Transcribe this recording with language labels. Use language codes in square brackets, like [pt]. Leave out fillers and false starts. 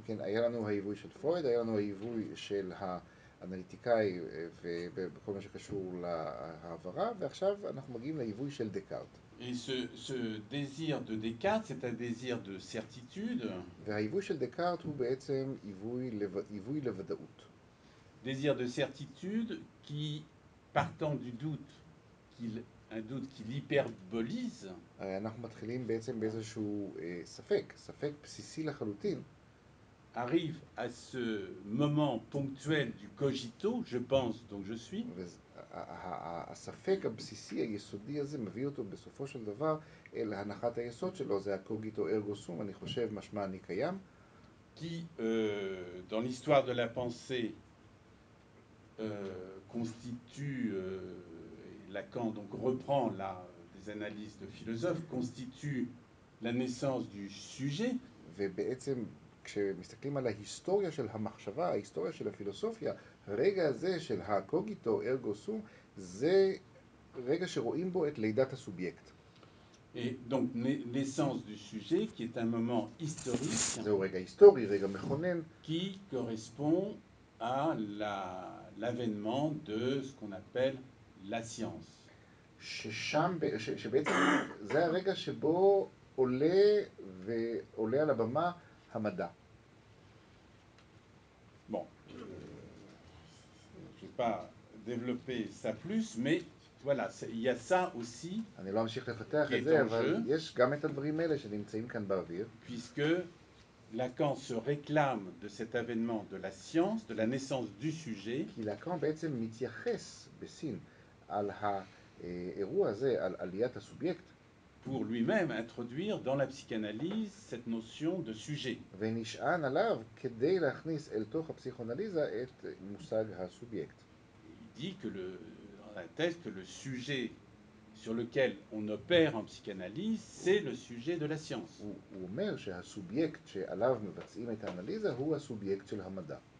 [he] כן, היה לנו העיווי של פרויד, היה לנו העיווי של האנליטיקאי ובכל מה שקשור להעברה, ועכשיו אנחנו מגיעים לעיווי של דקארט. [fr] Et ce désir de Descartes, c'est un désir de certitude. [he] והעיווי של דקארט הוא בעצם עיווי לוודאות. [fr] Désir de certitude qui, partant du doute, qu'il un doute qui l'hyperbolise. [he] אנחנו מתחילים בעצם באיזשהו ספק, ספק בסיסי לחלוטין. [fr] Arrive à ce moment ponctuel du cogito, je pense, donc je suis. [he] הספק הבסיסי, היסודי הזה, מביא אותו בסופו של דבר אל הנחת היסוד שלו, זה הקוגיטו ארגו סום, אני חושב, משמע אני קיים. [fr] Qui, dans l'histoire de la pensée, constitue... Lacan donc reprend la des analyses de philosophes constitue la naissance du sujet. [he] ובעצם כשמסתכלים על ההיסטוריה של המחשבה, ההיסטוריה של הפילוסופיה, רגע הזה של הקוגיטו ארגו סום, זה רגע שרואים בו את לידת הסובייקט. [fr] Et donc naissance du sujet qui est un moment historique. [he] זהו רגע היסטורי, רגע מכונן. [fr] Qui correspond à l'avènement de ce qu'on appelle la science. [he] ששם, שבעצם זה הרגע שבו עולה ועולה על הבמה המדע. [fr] Bon. Je vais pas développer ça plus, mais voilà, il y a ça aussi. [he] אני לא אמשיך לפתח את זה, אבל יש גם את הדברים האלה שנמצאים כאן באוויר. [fr] Puisque Lacan se réclame de cet avènement de la science, de la naissance du sujet. [he] כי לקאן בעצם מתייחס בסין. על האירוע הזה, על עליית הסובייקט. [fr] Pour lui-même introduire dans la psychanalyse cette notion de sujet. [he] ונשען עליו כדי להכניס אל תוך הפסיכואנליזה את מושג הסובייקט. [fr] Il dit que dans la thèse, que le sujet sur lequel on opère en psychanalyse, c'est le sujet de la science. [he] הוא אומר שהסובייקט שעליו מבצעים את האנליזה הוא הסובייקט של המדע.